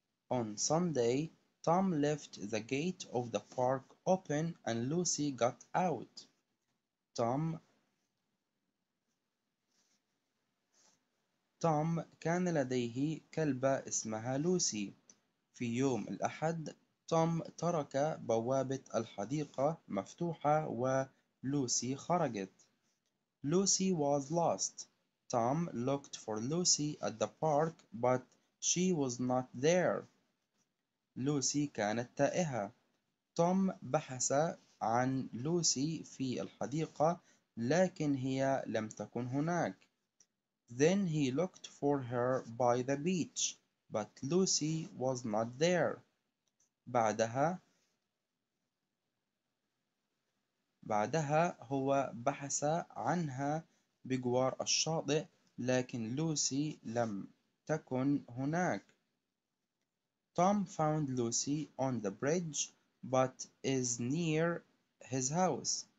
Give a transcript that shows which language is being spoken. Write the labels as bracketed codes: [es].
[en] On Sunday, Tom left the gate of the park open and Lucy got out. [ar] Tom كان لديه كلبة اسمها لوسي. في يوم الأحد، توم ترك بوابة الحديقة مفتوحة ولوسي خرجت. [en] Lucy was lost. Tom looked for Lucy at the park, but she was not there. [ar] لوسي كانت تائهة. توم بحث عن لوسي في الحديقة، لكن هي لم تكن هناك. [en] Then he looked for her by the beach, but Lucy was not there. [ar] بعدها هو بحث عنها بجوار الشاطئ، لكن لوسي لم تكن هناك. [en] Tom found Lucy on the bridge, but is near his house.